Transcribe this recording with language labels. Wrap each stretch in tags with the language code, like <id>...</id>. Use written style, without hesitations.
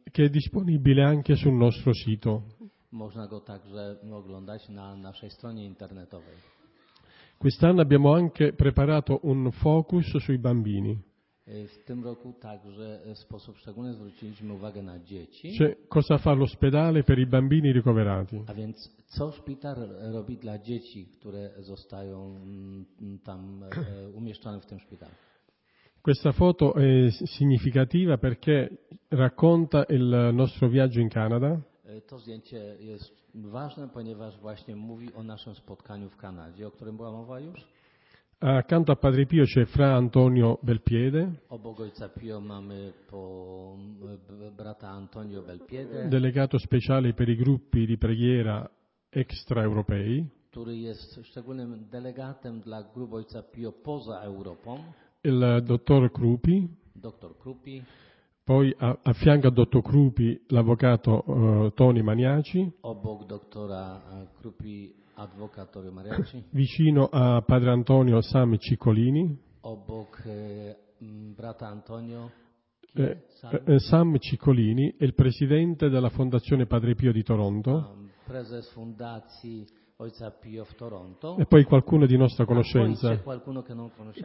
<it>Che è disponibile anche sul nostro sito.</it> <pl>Można go także oglądać na naszej stronie internetowej.</pl> <it>Quest'anno abbiamo anche preparato un focus sui bambini.</it> <pl>W tym roku także w sposób szczególny zwróciliśmy uwagę na dzieci.</pl> <it>Cioè, cosa fa l'ospedale per i bambini ricoverati?</it> <pl>A więc co szpital robi dla dzieci, które zostają tam umieszczone w tym szpitalu?</pl> <it>Questa foto è significativa perché racconta il nostro viaggio in Canada.</it> <pl>To zdjęcie jest ważne, ponieważ właśnie mówi o naszym spotkaniu w Kanadzie, o którym była mowa już.</pl> <it>Accanto a Padre Pio c'è Fra Antonio Belpiede.</it> <pl>Obok ojca Pio mamy po brata Antonio Belpiede.</pl> <it>Delegato speciale per i gruppi di preghiera extraeuropei.</it> <pl>Który jest szczególnym delegatem dla grup ojca Pio poza Europą.</pl> <it>Il dottor Krupi. Dottor Krupi. Poi a fianco a dottor Krupi l'avvocato Tony Maniaci.</it> <pl>Obok dottora Krupi Advocatore Mariacci.</pl> <it>Vicino a Padre Antonio Sam Ciccolini.</it> <pl>Obok brata Antonio</pl> <it>Sam Ciccolini, il presidente della Fondazione Padre Pio di Toronto.</it> <pl>Prezes Fundacji Ojca Pio w Toronto.</pl> <it>E poi qualcuno di nostra conoscenza. Qualcuno che non conosciamo.</it>